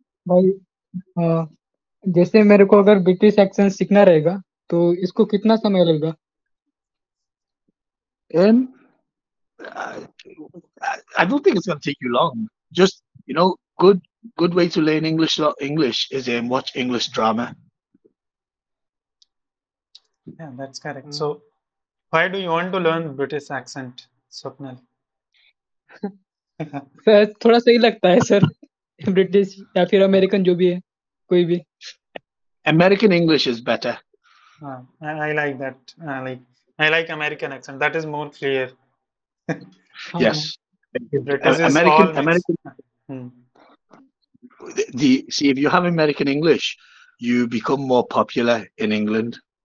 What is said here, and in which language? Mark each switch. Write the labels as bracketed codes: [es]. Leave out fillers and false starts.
[hi] भाई, जैसे मेरे को अगर ब्रिटिश एक्सेंट सीखना रहेगा तो इसको कितना समय लगेगा? [en] I don't think it's going to take you long. Just, you know, good way to learn English is watch English drama. Yeah, that's correct. So, why do you want to learn British accent, Swapnil? [hi] थोड़ा सही लगता है sir, British या फिर American जो भी है, कोई भी. [en] American English is better. I like that. I like American accent. That is more clear. British Yes, is all mix. American. The see if you have American English, you become more popular in England.